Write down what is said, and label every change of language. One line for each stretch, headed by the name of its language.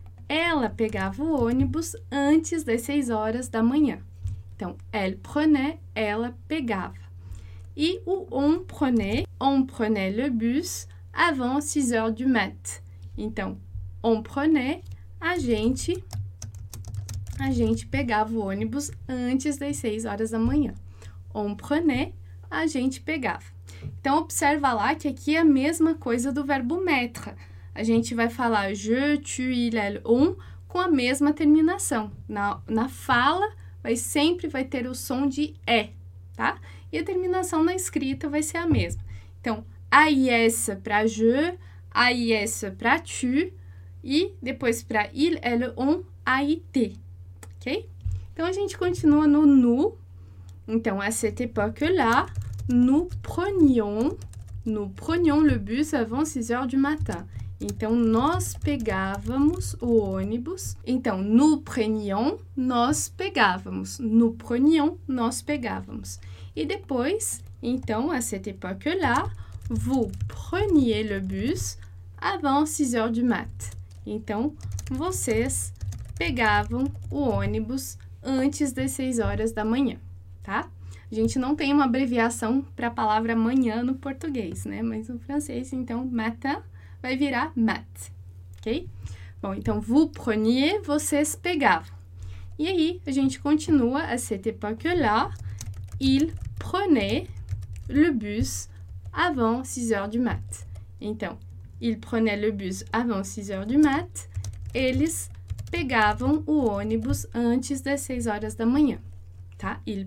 Portuguese: Ela pegava o ônibus antes das 6 horas da manhã. Então,
French: elle prenait,
Portuguese: ela pegava.
French: E o on prenait le bus avant 6 heures du mat.
Portuguese: Então,
French: on prenait,
Portuguese: a gente pegava o ônibus antes das 6 horas da manhã.
French: On prenait,
Portuguese: a gente pegava. Então, observa lá que aqui é a mesma coisa do verbo mettre. A gente vai falar je, tu, il, elle, on com a mesma terminação. Na fala, sempre vai ter o som de é, tá? E a terminação na escrita vai ser a mesma. Então, AIS para je, AIS para tu e depois para il, elle, on, AIT, ok? Então, a gente continua no nous.
French: Então, à cette époque-là, nous prenions le bus avant 6 heures du matin.
Portuguese: Então, nós pegávamos o ônibus. Então,
French: nous prenions,
Portuguese: nós pegávamos. E depois, então,
French: à cette époque-là, vous preniez le bus avant 6 heures du mat.
Portuguese: Então, vocês pegavam o ônibus antes das 6 horas da manhã, tá? A gente não tem uma abreviação para a palavra manhã no português, né? Mas no francês, então, matin vai virar mat, ok? Bom, então,
French: vous preniez,
Portuguese: vocês pegavam. E aí, a gente continua,
French: à cette époque-là, il prenait le bus avant 6 heures du mat.
Portuguese: Então,
French: il prenait le bus avant 6 heures du mat,
Portuguese: eles pegavam o ônibus antes das 6 horas da manhã, tá?